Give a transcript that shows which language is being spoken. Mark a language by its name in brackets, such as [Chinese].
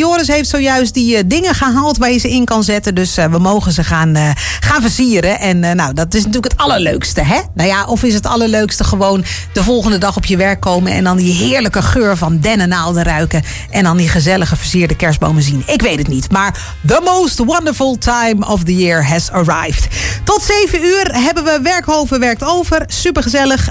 [Dutch] Joris heeft zojuist die dingen gehaald waar je ze in kan zetten. Dus we mogen ze gaan versieren. En nou, dat is natuurlijk het allerleukste, hè? Nou ja, of is het allerleukste gewoon de volgende dag op je werk komen en dan die heerlijke geur van dennenaalden ruiken en dan die gezellige geversierde kerstbomen zien. Ik weet het niet. [English] Maar the most wonderful time of the year has arrived. [Dutch] Tot 7 uur hebben we Werkhoven werkt over. Supergezellig.